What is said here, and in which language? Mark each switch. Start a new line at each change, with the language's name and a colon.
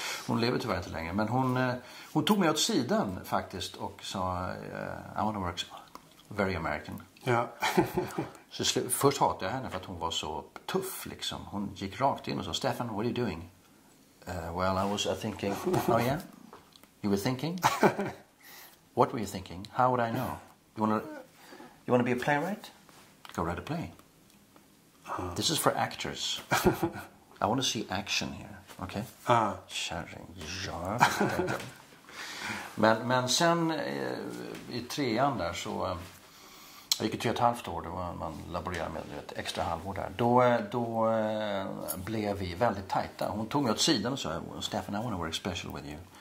Swedish: Hon lever tyvärr inte längre, men hon tog mig åt sidan faktiskt och sa
English: I want to work very American.
Swedish: Ja. Så först hatade jag henne för att hon var så tuff liksom. Hon gick rakt in och sa, Stefan,
English: what are you doing? Well, I was thinking, oh yeah, you were thinking? What were you thinking? How would I know? You want to be a playwright? Go write a play. Uh-huh. This is for actors. I want to see action here.
Swedish: Okay? Kärring. Uh-huh. Ja. Men sen i trean där så jag gick 3,5 år då man laborerade med ett extra halvår där. Då blev vi väldigt tajta. Hon tog mig åt sidan och sa, Stefan,
English: I want to work special with you.